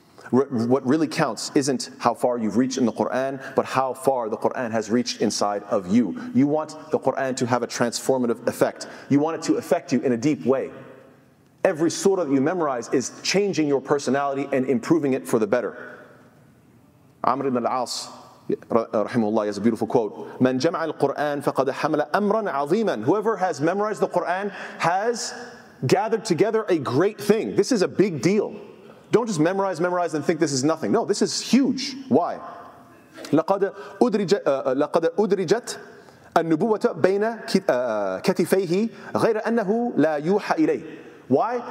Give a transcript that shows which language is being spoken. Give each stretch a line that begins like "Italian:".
English: What really counts isn't how far you've reached in the Qur'an, but how far the Qur'an has reached inside of you. You want the Qur'an to have a transformative effect. You want it to affect you in a deep way. Every surah that you memorize is changing your personality and improving it for the better. Amr ibn al-As, rahimahullah, has a beautiful quote.
Arabic: مَنْ جَمْعَ الْقُرْآنَ فَقَدْ حَمَلَ أَمْرًا عَظِيمًا.
English: Whoever has memorized the Qur'an has gathered together a great thing. This is a big deal. Don't just memorize, and think this is nothing. No, this is huge. Why?
Arabic: لَقَدْ أُدْرِجَتْ النُّبُوَّةَ بَيْنَ كَتِفَيْهِ غَيْرَ أَنَّهُ لَا يُوحَى إِلَيْهِ. Why?